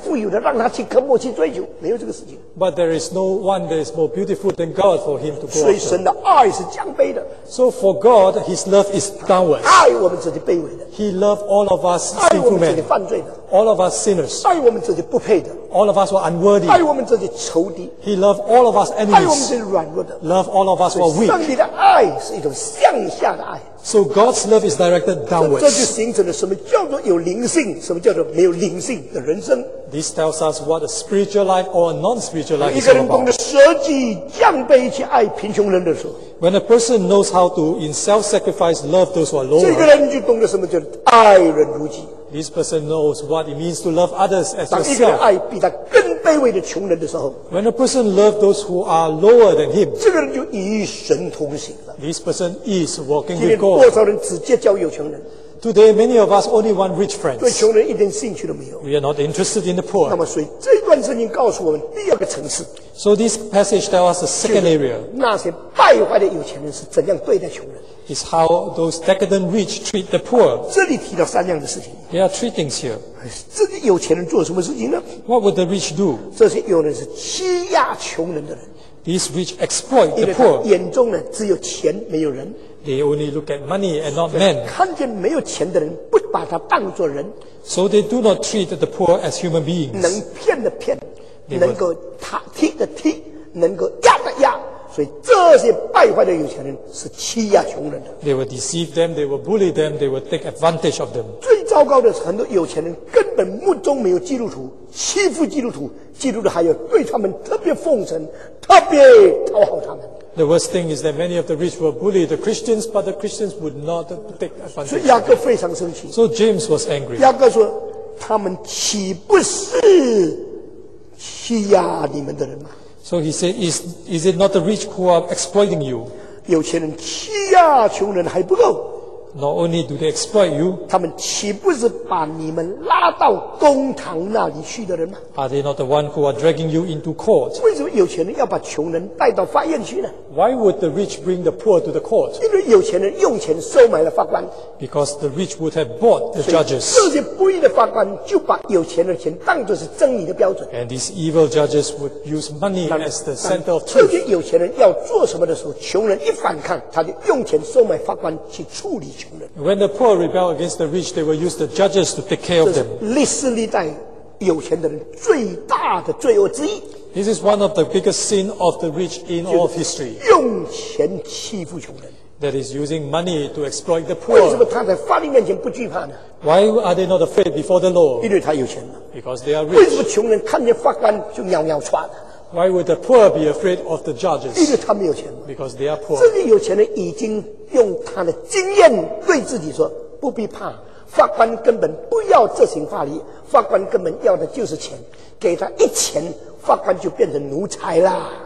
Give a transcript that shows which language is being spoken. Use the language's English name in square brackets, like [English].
[Chinese] 上帝还没有比他更美、更漂亮、更富有的让他去跟我去追求，没有这个事情。 [English] But there is no one that is more beautiful than God for him to go after. [Chinese] 所以神的爱是降卑的。 [English] So for God, his love is downwards. [Chinese] 爱我们这些卑微的。 [English] He loves all of us sinful men. [Chinese] 爱我们这些犯罪的。 [English] All of us sinners. [Chinese] 爱我们这些不配的。 [English] All of us who are unworthy. [Chinese] 爱我们这些仇敌。 [English] He loves all of us enemies. [Chinese] 爱我们这些软弱的。 [English] Love all of us who are weak. [Chinese] 上帝的爱是一种向下的爱。 [English] So God's love is directed downwards. [Chinese] 这就形成了什么叫做有灵性, 什么叫做没有灵性的人生。 [English] This tells us what a spiritual life or a non-spiritual life is [Chinese] 一个人懂得舍己降卑去爱贫穷人的时候, [English] when a person knows how to, in self-sacrifice, love those who are lower, [Chinese] 这个人就懂得什么叫爱人如己。 [English] This person knows what it means to love others as yourself. [Chinese] 当一个人爱比他更卑微的穷人的时候, [English] when a person loves those who are lower than him, [Chinese] 这个人就与神同行了。 [English] This person is walking with God. [Chinese] 多少人只结交有穷人。 [English] Today, many of us only want rich friends. [Chinese] 对穷人一点兴趣都没有。 [English] We are not interested in the poor. [Chinese] 那么，所以这段圣经告诉我们第二个层次。 [English] So this passage tells us the second area. [Chinese] 那些败坏的有钱人是怎样对待穷人？ [English] Is how those decadent rich treat the poor. [Chinese] 这里提到三样的事情。 [English] There are three things here. [Chinese] 这些有钱人做什么事情呢 [English] ？What would the rich do? [Chinese] 这些有人是欺压穷人的人。 [English] These rich exploit the poor. [Chinese] 眼中呢只有钱没有人。 [English] They only look at money and not men. [Chinese] 看见没有钱的人不把他当作人。 [English] So they do not treat the poor as human beings. [Chinese] 能骗的骗，能够踢的踢，能够压的压。所以这些败坏的有钱人是欺压穷人的。 [English] They will deceive them, they will bully them, they will take advantage of them. [Chinese] 最糟糕的是很多有钱人根本目中没有基督徒，欺负基督徒，基督徒还要对他们特别奉承，特别讨好他们。 [English] The worst thing is that many of the rich will bully the Christians, but the Christians would not take advantage of them. [Chinese] 所以雅各非常生气。 [English] So James was angry. [Chinese] 雅各说，他们岂不是欺压你们的人吗？ [English] So he said, is it not the rich who are exploiting you? [Chinese] 有钱人欺压穷人还不够。 [English] Not only do they exploit you. [Chinese] 他们岂不是把你们拉到公堂那里去的人吗？ [English] Are they not the one who are dragging you into court? [Chinese] 为什么有钱人要把穷人带到法院去呢？ [English] Why would the rich bring the poor to the court? [Chinese] 因为有钱人用钱收买了法官。 [English] Because the rich would have bought the judges. [Chinese] 这些不义的法官就把有钱人的钱当作是真理的标准。 [English] And these evil judges would use money as the center of truth. [Chinese] 这些有钱人要做什么的时候，穷人一反抗，他就用钱收买法官去处理。 [English] When the poor rebel against the rich, they will use the judges to take care of them. [Chinese] 历史历代有钱的人最大的罪恶之一。 [English] This is one of the biggest sin of the rich in all of history. [Chinese] 用钱欺负穷人。 [English] That is using money to exploit the poor. [Chinese] 为什么他在法律面前不惧怕呢？ [English] Why are they not afraid before the law? [Chinese] 因为他有钱。 [English] Because they are rich. [Chinese] 为什么穷人看见法官就尿尿喘呢？ [English] Why would the poor be afraid of the judges? [Chinese] 因为他没有钱。 [English] Because they are poor. [Chinese] 这些有钱人已经用他的经验对自己说，不必怕，法官根本不要这行法律，法官根本要的就是钱，给他一钱，法官就变成奴才啦。